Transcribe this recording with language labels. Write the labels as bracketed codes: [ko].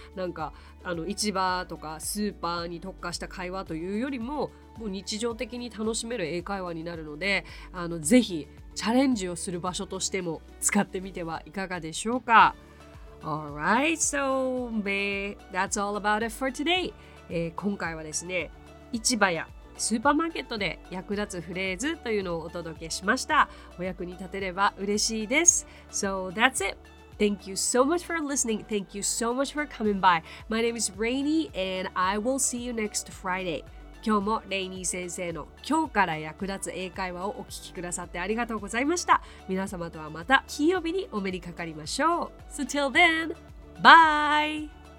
[ja] なんか市場とかスーパーに特化した会話というよりも、もう日常的に楽しめる英会話になるので、ぜひチャレンジをする場所としても使ってみてはいかがでしょうか。 [en] Alright, so that's all about it for today、 [ja] 今回はですね、市場やスーパーマーケットで役立つフレーズというのをお届けしました。お役に立てれば嬉しいです。 [en] So that's it. Thank you so much for listening. Thank you so much for coming by. My name is Rainy and I will see you next Friday. [ja] 今日もレイニー先生の今日から役立つ英会話をお聞きくださってありがとうございました。皆様とはまた金曜日にお目にかかりましょう。 [en] So till then, bye!